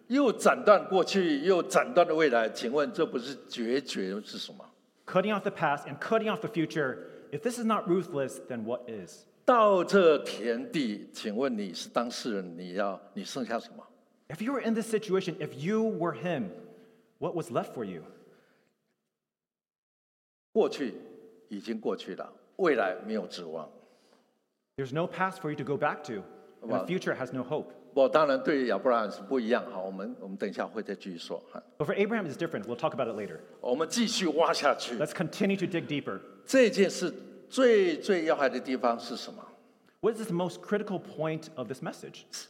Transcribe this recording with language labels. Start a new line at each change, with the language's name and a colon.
Chinese: 又斩断过去，又斩断了未来，请问这不是决绝是什么？
English: Cutting off the past and cutting off the future, if this is not ruthless, then what is?
Chinese: 到这田地，请问你是当事人，你要，你剩下什么？
English: If you were in this situation, if you were him, what was left for you?
Chinese: 过去已经过去了，未来没有指望。
English: There's no past for you to go back to, and the future has no hope.
Chinese: 我当然对亚伯拉罕是不一样，好，我们等一下会再继续说。
English: But for Abraham is different. We'll talk about it later.
Chinese: 我们继续挖下去。
English: Let's continue to dig deeper.
Chinese: 这件事最要害的地方是什么？
English: What is the most critical point of this message?